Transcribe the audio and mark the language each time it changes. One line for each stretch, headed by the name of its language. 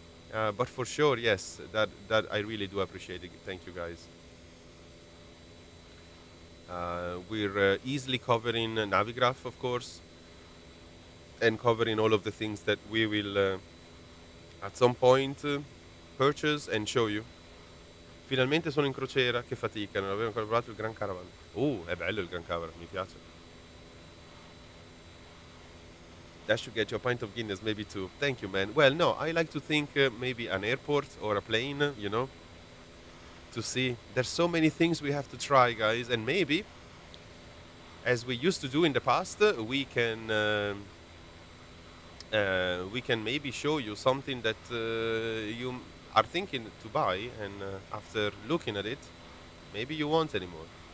English: But for sure, yes, that I really do appreciate it. Thank you, guys. We're easily covering Navigraph, of course, and covering all of the things that we will at some point purchase and show you.
Italian: Finalmente sono in crociera, che fatica, non avevo ancora provato il Grand Caravan. È bello il Grand Caravan, mi piace.
English: That should get you a pint of Guinness, maybe two. Thank you, man. Well, no, I like to think maybe an airport or a plane, you know, to see. There's so many things we have to try, guys, and maybe, as we used to do in the past, we can maybe show you something that you are thinking to buy, and after looking at it, maybe you won't anymore.